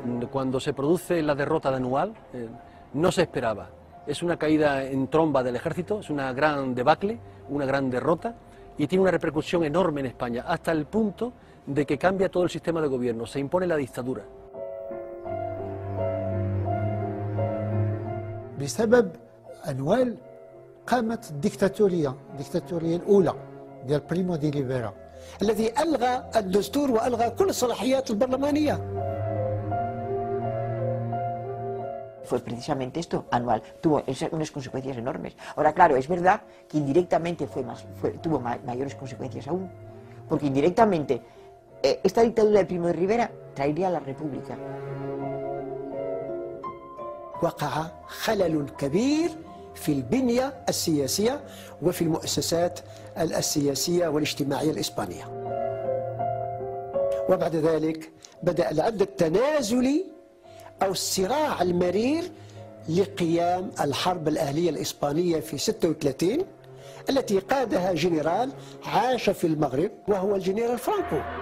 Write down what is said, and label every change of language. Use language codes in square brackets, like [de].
[es] Cuando se produce la derrota de Anual, no se esperaba. Es una caída en tromba del ejército, es una gran debacle, una gran derrota. Y tiene una repercusión enorme en España, hasta el punto de que cambia todo el sistema de gobierno, se impone la dictadura. [ar] بسبب أنوال قامت الديكتاتورية، الديكتاتورية الأولى ديال بريمو دي ليفيرا. الذي ألغى الدستور وألغى كل الصلاحيات البرلمانية. [es] Fue precisamente esto, Anual, tuvo unas consecuencias enormes. Ahora, claro, es verdad que indirectamente tuvo mayores consecuencias aún, porque indirectamente esta dictadura de Primo de Rivera traería a la República. [ar] وقع خلل كبير في البنية السياسية وفي المؤسسات السياسية والاجتماعية الإسبانية. وبعد ذلك بدأ العد التنازلي أو الصراع المرير لقيام الحرب الأهلية الإسبانية في 36 التي قادها جنرال عاش في المغرب وهو الجنرال فرانكو.